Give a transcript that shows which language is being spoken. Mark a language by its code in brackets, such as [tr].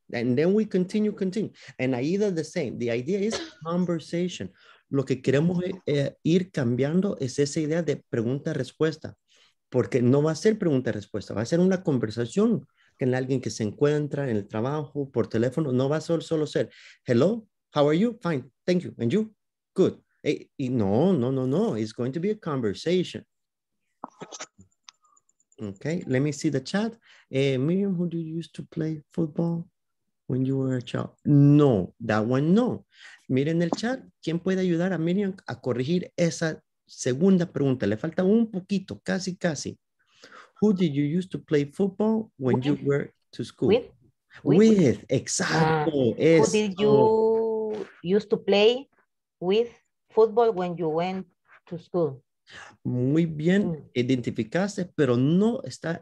[en] And then we continue. And Aida, the same. The idea is conversation. [es] Lo que queremos ir cambiando es esa idea de pregunta-respuesta. Porque no va a ser pregunta-respuesta. Va a ser una conversación con alguien que se encuentra en el trabajo, por teléfono. No va a solo ser, [en] hello, how are you? Fine, thank you. And you? Good. Y no. It's going to be a conversation. Okay, let me see the chat. Miriam, who did you used to play football? When you were a child. No, that one no. [es] Miren el chat. ¿Quién puede ayudar a Miriam a corregir esa segunda pregunta? Le falta un poquito, casi, casi. [en] Who did you use to play football when you were to school? With. [es] Exacto. [en] Who did you used to play with football when you went to school? [es] Muy bien, identificaste, pero no está